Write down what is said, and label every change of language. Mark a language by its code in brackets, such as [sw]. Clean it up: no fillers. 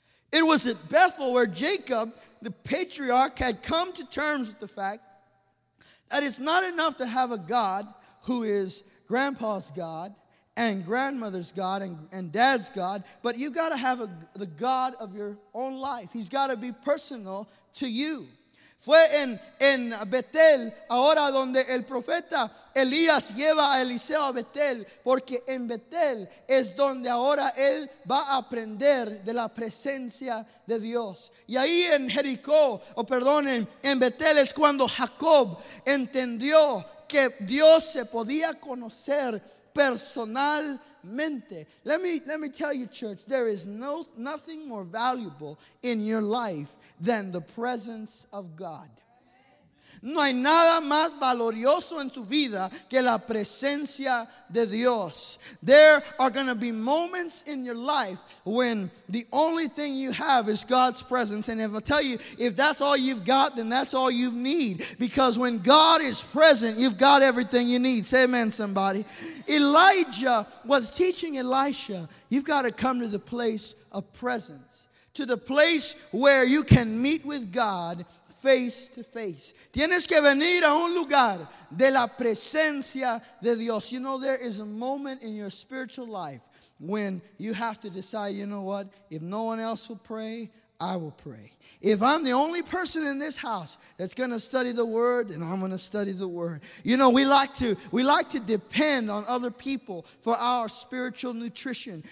[en] It was at Bethel where Jacob, the patriarch, had come to terms with the fact that it's not enough to have a God who is grandpa's God and grandmother's God and dad's God, but you got to have the God of your own life. He's got to be personal to you. [es] Fue en Betel, ahora donde el profeta Elías lleva a Eliseo a Betel, porque en Betel es donde ahora él va a aprender de la presencia de Dios. Y ahí en Jericó, en Betel es cuando Jacob entendió que Dios se podía conocer personalmente. [en] Let me tell you, church, there is nothing more valuable in your life than the presence of God. [es] No hay nada más valioso en su vida que la presencia de Dios. [en] There are going to be moments in your life when the only thing you have is God's presence. And if I tell you, if that's all you've got, then that's all you need. Because when God is present, you've got everything you need. Say amen, somebody. Elijah was teaching Elisha, you've got to come to the place of presence, to the place where you can meet with God face to face. [es] Tienes que venir a un lugar de la presencia de Dios. [en] You know, there is a moment in your spiritual life when you have to decide, you know what, if no one else will pray, I will pray. If I'm the only person in this house that's going to study the word, then I'm going to study the word. You know, we like to depend on other people for our spiritual nutrition.